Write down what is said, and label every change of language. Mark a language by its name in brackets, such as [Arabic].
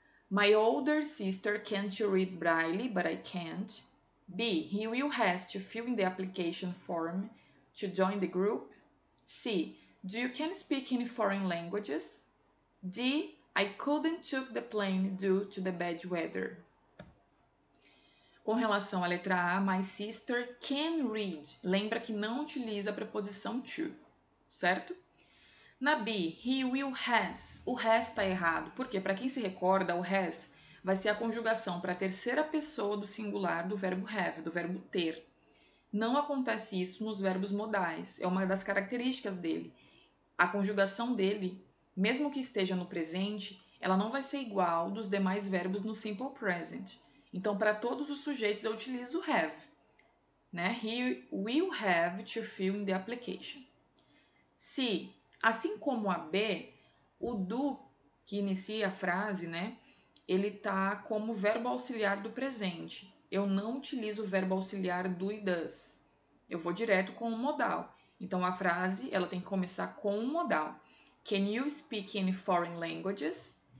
[English] My older sister can't read Braille, but I can't. B. He will have to fill in the application form to join the group. C. Do you can speak in foreign languages? D. I couldn't took the plane due to the bad weather. [Portuguese] Com relação à letra A, [English] my sister can read. [Portuguese] Lembra que não utiliza a preposição to, certo? Na B, [English] he will has. [Portuguese] O has está errado. Por quê? Para quem se recorda, o has vai ser a conjugação para a terceira pessoa do singular do verbo have, do verbo ter. Não acontece isso nos verbos modais. É uma das características dele. A conjugação dele, mesmo que esteja no presente, ela não vai ser igual dos demais verbos no simple present. Então, para todos os sujeitos, eu utilizo have, né? [English] He will have to fill in the application. [Portuguese] Se, assim como a B, o do que inicia a frase, né, ele está como verbo auxiliar do presente. Eu não utilizo o verbo auxiliar do e does. Eu vou direto com o modal. Então, a frase, ela tem que começar com o modal. [English] Can you speak any foreign languages?